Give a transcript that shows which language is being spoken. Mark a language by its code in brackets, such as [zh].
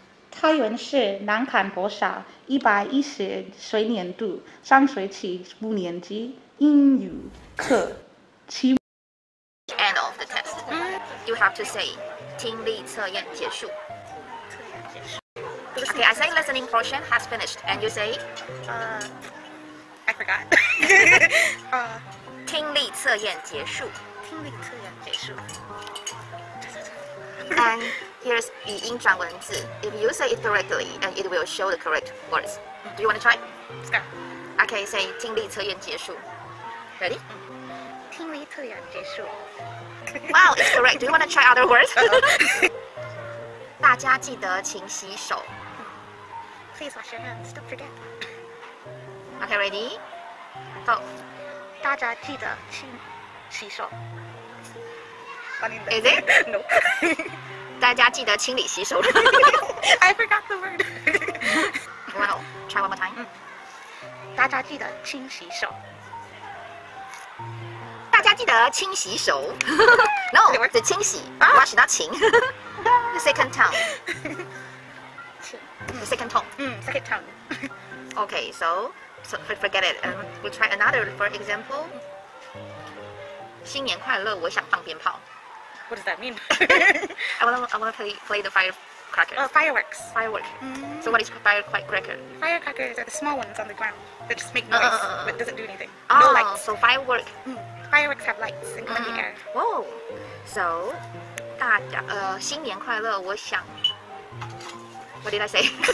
[zh] 开源是南坎国小110学年度上学期五年级英语课期末。 [en] End of the test. You have to say [zh] 听力测验结束。 [en] Okay, I say listening portion has finished, and you say. I forgot. [zh] 听力测验结束。听力测验结束。 [en] And here's [zh] 语音转文字 [en] If you say it directly, and it will show the correct words. Do you want to try? Start. Okay, say [zh] 听力测验结束 [en] Ready? [zh] 听力测验结束 [en] Wow, it's correct. Do you want to try other words? [zh] 大家记得勤洗手 [en] Please wash your hands. Don't forget. Okay, ready? Go. [zh] 大家记得勤洗手 [en] Is it? No. [zh] 大家记得清理洗手。 [en] I forgot the word. Wow. Try one more time. [zh] 大家记得清洗手。大家记得清洗手。 [en] No, the 清洗 wash 到清。 The second tone. The second tone. Second tone. Okay, so forget it. We'll try another. For example, [zh] 新年快乐，我想放鞭炮。 [en] What does that mean? I want to play the firecracker. Fireworks. Firework. Mm-hmm. So what is firecracker? Firecrackers are the small ones on the ground. They just make noise, but doesn't do anything. No lights. So firework. Fireworks have lights and come in the air. Whoa. So, [zh] 大家新年快乐，我想 [en] What did I say?